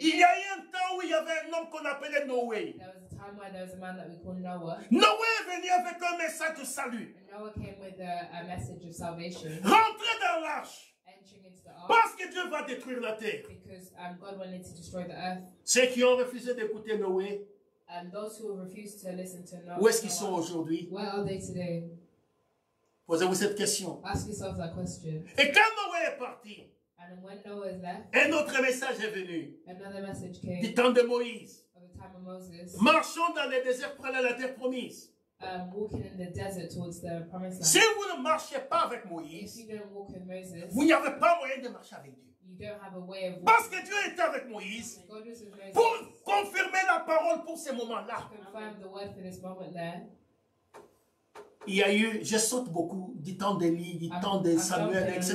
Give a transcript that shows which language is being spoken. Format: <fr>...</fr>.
<fr>Il y a eu un temps où il y avait un homme qu'on appelait Noé.</fr> <en>There was a time where there was a man that we called Noah.</en> <fr>Noé est venu avec un message de salut.</fr> <en>And Noah came with a message of salvation.</en> <fr>Rentrez dans l'arche.</fr> <en>Entering into the ark.</en> <fr>Parce que Dieu va détruire la terre.</fr> <en>Because God wanted to destroy the earth.</en> <fr>Ceux qui ont refusé d'écouter Noé.</fr> <en>And those who refused to listen to Noah.</en> <fr>Où est-ce qu'ils sont aujourd'hui?</fr> <en>Where are they today?</en> <fr>Posez-vous cette question.</fr> <en>Ask yourself that question.</en> <fr>Et quand Noé est parti,</fr> <en>and when Noah is left,</en> <fr>un autre message est venu.</fr> <en>Another message came.</en> <fr>Du temps de Moïse.</fr> <en>Of the time of Moses.</en> <fr>Marchons dans le désert pour aller à la terre promise.</fr> <en>Walking in the desert towards the promised land.</en> <fr>Si vous ne marchez pas avec Moïse,</fr> <en>if you don't walk with Moses,</en> <fr>vous n'avez pas moyen de marcher avec Dieu.</fr> <en>You don't have a way of</en> <fr>parce que Dieu était avec Moïse,</fr> <en>God was with Moses,</en> <fr>pour confirmer la parole pour ce moment-là.</fr> <en>To confirm the word for this moment there.</en> <fr>Il y a eu, je saute beaucoup, du temps d'Élie, du temps de Samuel, etc.</fr>